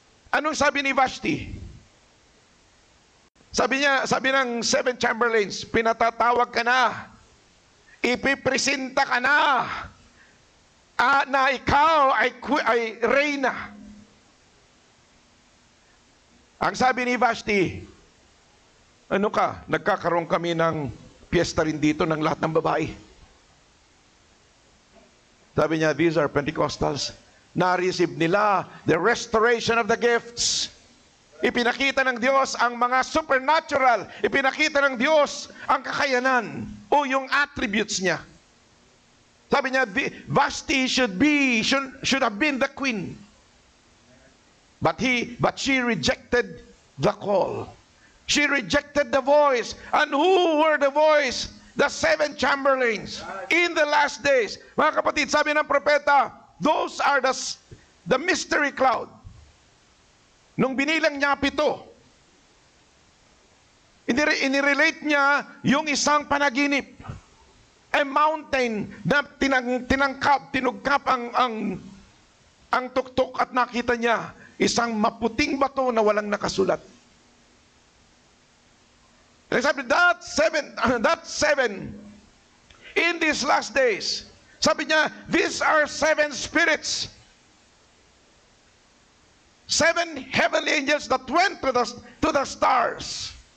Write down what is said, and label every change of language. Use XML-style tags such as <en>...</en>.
<tl>Anong sabi ni Vashti? Sabi niya, sabi ng seven chamberlains, pinatatawag ka na, ipipresenta ka na, na ikaw ay reyna. Ang sabi ni Vashti, ano ka, nagkakaroon kami ng piyesta rin dito ng lahat ng babae. Sabi niya,</tl> <en>these are Pentecostals.</en> <tl>Na-receive nila</tl> <en>the restoration of the gifts.</en> <tl>Ipinakita ng Diyos ang mga supernatural. Ipinakita ng Diyos ang kakayanan o yung attributes niya. Sabi niya,</tl> <en>Vashti should have been the queen. But she rejected the call. She rejected the voice. And who were the voice? The seven chamberlains in the last days.</en> <tl>Mga kapatid, sabi ng propeta,</tl> <en>those are the mystery cloud.</en> <tl>Nung binilang niya pito, inirelate niya yung isang panaginip. A mountain na tinangkap ang tuktok at nakita niya isang maputing bato na walang nakasulat.</tl> <en>And sabi, that seven, in these last days,</en> <tl>sabi niya,</tl> <en>these are seven spirits. Seven heavenly angels that went to the stars.</en>